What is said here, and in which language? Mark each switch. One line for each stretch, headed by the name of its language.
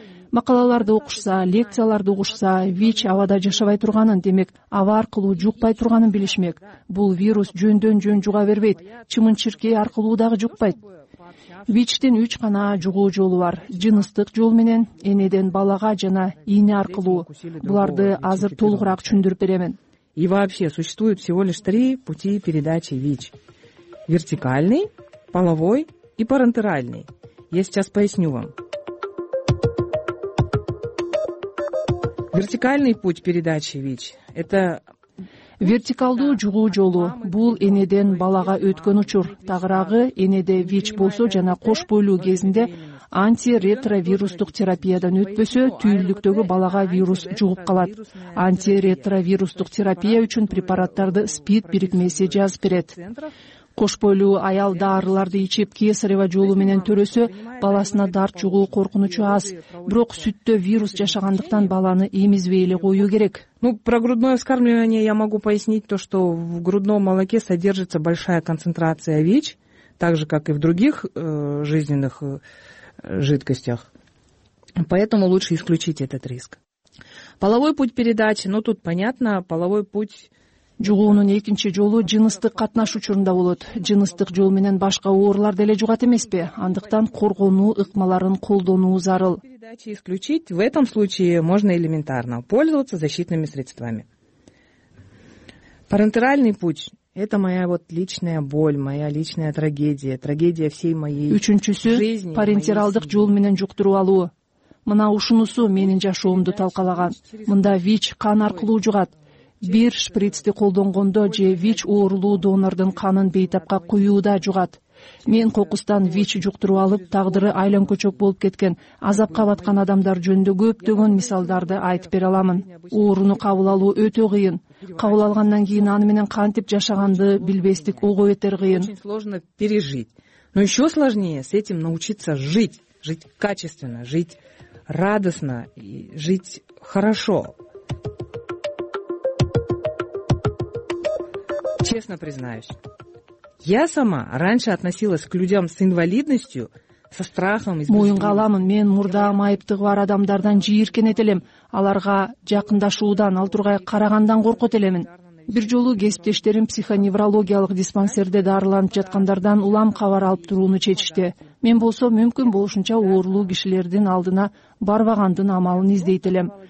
Kyrgyz: Макалаларды окушса, лекцияларды окушса, ВИЧ абада жашабай турганын, демек, аба аркылуу жукпай турганын билишмек. Бул вирус жөндөн жөн жуга бербейт, чымын чиркей аркылуу дагы жукпайт. ВИЧтин 3 гана жугуу жолу бар. Жыныстык жол менен, энеден балага жана ийне аркылуу. Буларды азыр толугураак түшүндүрүп беремин.
Russian: И вообще существует всего лишь три пути передачи ВИЧ. Вертикальный, половой и парентеральный. Я сейчас поясню вам. Вертикальный путь передачи ВИЧ – это...
Kyrgyz: Вертикалдуу жугуу жолу бул энеден балага өткөн учур. Тагырагы энеде ВИЧ болсо жана кош бойлуу кезинде антиретровирустук терапиядан өтпөсө түйүлүктөгү балага вирус жугуп калат. Антиретровирустук терапия үчүн препараттарды спид бирикмеси жазып берет. Кош бойлуу аял дарыларды ичип кесарево жолу менен төрөсө баласына дарт жугуу коркунучу аз. Бирок сүттө вирус жашагандыктан баланы эмизбей эле коюу керек.
Russian: Ну, про грудное вскармливание я могу пояснить то, что в грудном молоке содержится большая концентрация ВИЧ, так же, как и в других жизненных жидкостях. Поэтому лучше исключить этот риск. Половой путь передачи, ну, тут понятно, половой путь...
Kyrgyz: Жугуунун экинчи жолу жыныстык катнаш учурунда болот. Жыныстык жол менен башка оорулар деле жугат эмеспи? Андыктан коргонуу ыкмаларын колдонуу зарыл.
Russian: Передачи исключить в этом случае можно элементарно пользоваться защитными средствами. Парентеральный путь. Это моя вот личная боль, моя личная трагедия, трагедия всей моей жизни.
Kyrgyz: Үчүнчүсү парентералдык жол менен жуктуруу алуу. Мына ушунусу менин жашоомду талкалаган. Мында ВИЧ кан аркылуу жугат. Бир шприцти колдонгондо же ВИЧ оорулуу донордун канын бейтапка куюуда жугат. Мен кокустан ВИЧ жуктуруп алып, тагдыры айлан-көчөк болуп кеткен, азапка баткан адамдар жөнүндө көптөгөн мисалдарды айтып бере аламын. Ооруну кабыл алуу өтө кыйын. Кабыл алгандан кийин аны менен кантип жашаганды билбестик ого бетер кыйын.
Russian: Очень сложно пережить. Но еще сложнее с этим научиться жить. Жить качественно, жить радостно и жить хорошо. Честно признаюсь, я сама раньше относилась к людям с инвалидностью со страхом и с болью.
Kyrgyz: Мойнга аламын, мен мурда майыптыгы бар адамдардан жийиркенет элем. Аларга жакындашуудан, ал тургай карагандан коркот элемин. Бир жолу кесиптештерим психоневрологиялык диспансерде дарыланып жаткандардан улам кабар алып турууну чечишти. Мен болсо мүмкүн болушунча оорулуу кишилердин алдына барбагандын амалын издейт элем.